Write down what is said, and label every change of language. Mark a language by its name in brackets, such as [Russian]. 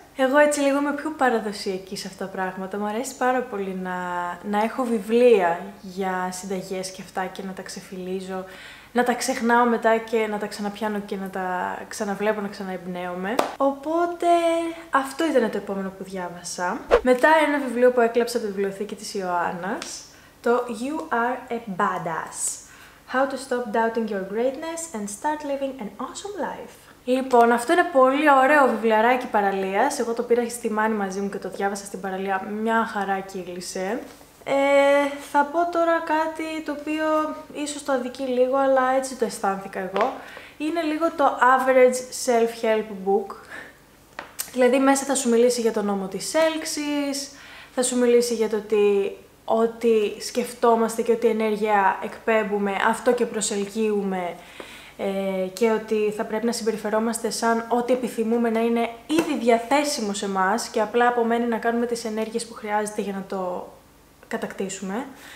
[Greek] Εγώ έτσι λίγο είμαι πιο παραδοσιακή σε αυτά τα πράγματα. Μου αρέσει πάρα πολύ να έχω βιβλία για συνταγές και αυτά και να τα ξεφυλίζω, να τα ξεχνάω μετά και να τα ξαναπιάνω και να τα ξαναβλέπω, να ξαναεμπνέομαι. Οπότε αυτό ήταν το επόμενο που διάβασα. Μετά ένα βιβλίο που έκλαψα από τη βιβλιοθήκη της Ιωάννας, το You Are a Badass. [English] How to stop doubting your greatness and start living an awesome life. [Greek] Λοιπόν, αυτό είναι πολύ ωραίο βιβλιαράκι παραλίας. Εγώ το πήρα στη μάνη μαζί μου και το διάβασα στην παραλία. Μια χαρά κύλησε. Θα πω τώρα κάτι το οποίο ίσως το αδικεί λίγο, αλλά έτσι το αισθάνθηκα εγώ. Είναι λίγο το [English] average self-help book. [Greek] Δηλαδή μέσα θα σου μιλήσει για τον νόμο της έλξης, θα σου μιλήσει για το ότι ό,τι σκεφτόμαστε και ό,τι ενέργεια εκπέμπουμε, αυτό και προσελκύουμε και ότι θα πρέπει να συμπεριφερόμαστε σαν ό,τι επιθυμούμε να είναι ήδη διαθέσιμο σε μας και απλά απομένει να κάνουμε τις ενέργειες που χρειάζεται για να το κατακτήσουμε.